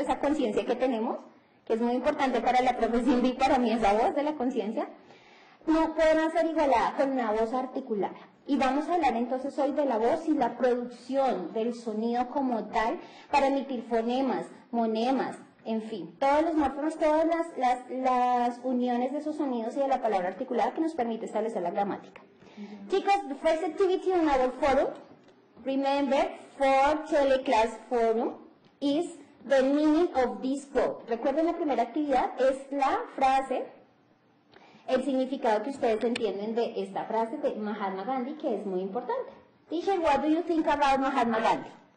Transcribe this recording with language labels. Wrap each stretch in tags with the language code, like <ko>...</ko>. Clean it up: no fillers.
<es>Esa conciencia que tenemos, que es muy importante para la profesión y para mí, esa voz de la conciencia, no puede ser igualada con una voz articulada. Y vamos a hablar entonces hoy de la voz y la producción del sonido como tal para emitir fonemas, monemas, en fin, todos los morfemas, todas las uniones de esos sonidos y de la palabra articulada que nos permite establecer la gramática. Mm-hmm.</es> <en>Chicos, the first activity in our forum, remember, for teleclass forum, is the meaning of this quote.</en> <es>Recuerden, la primera actividad es la frase, el significado que ustedes entienden de esta frase de Mahatma Gandhi, que es muy importante.</es> <en>Teacher, what do you think about Mahatma Gandhi?</en>